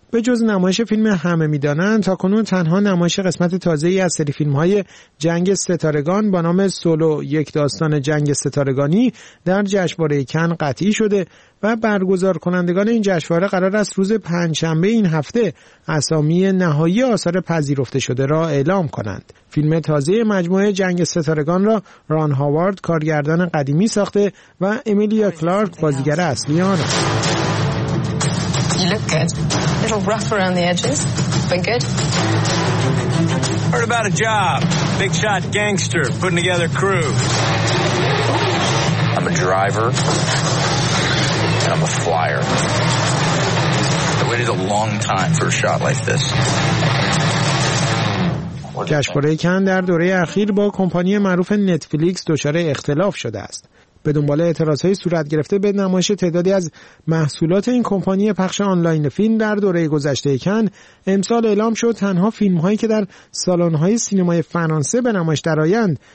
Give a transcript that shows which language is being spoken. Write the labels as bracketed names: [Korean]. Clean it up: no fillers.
[Persian] به جز نمایش فیلم همه میدانند تاکنون تنها نمایش قسمت تازه‌ای از سری فیلم‌های جنگ ستارگان با نام سولو، یک داستان جنگ ستارگانی در جشنواره کن قطعی شده و برگزار کنندگان این جشنواره قرار است روز پنجشنبه این هفته اسامی نهایی آثار پذیرفته شده را اعلام کنند. فیلم تازه مجموعه جنگ ستارگان را ران هاوارد کارگردان قدیمی ساخته و امیلیا کلارک بازیگر اصلی آن است. [English] A little rough around the edges, but good. Heard about a job. Big shot gangster putting together crew. I'm a driver. And I'm a flyer. I waited a long time for a shot like this. [Persian] جشنواره کن در دوره اخیر با کمپانی معروف نتفلیکس دچار اختلاف شده است. به دنبال اعتراض های صورت گرفته به نمایش تعدادی از محصولات این کمپانی پخش آنلاین فیلم در دوره گذشته کن، امسال اعلام شد تنها فیلم هایی که در سالن های سینمای فرانسه به نمایش درآیند